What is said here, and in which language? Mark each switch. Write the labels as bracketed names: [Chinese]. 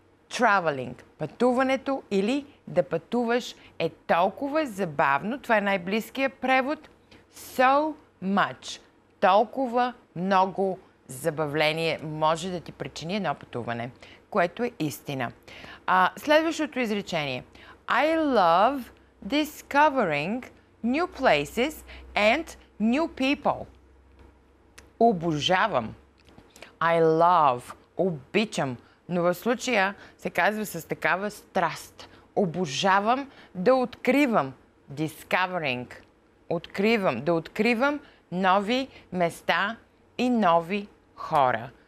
[Bulgarian] Traveling, пътуването или да пътуваш е толкова забавно. Това е най-близкият превод. [English] So much, [Bulgarian] толкова много забавление може да ти причини едно пътуване, което е истина. Следващото изречение. [English] I love discovering new places and new people. [Bulgarian] Обожавам. [English] I love, [Bulgarian] обичам. Но в случая се казва с такава страст. Обожавам да откривам. Discovering. Откривам. Да откривам нови места и нови хора.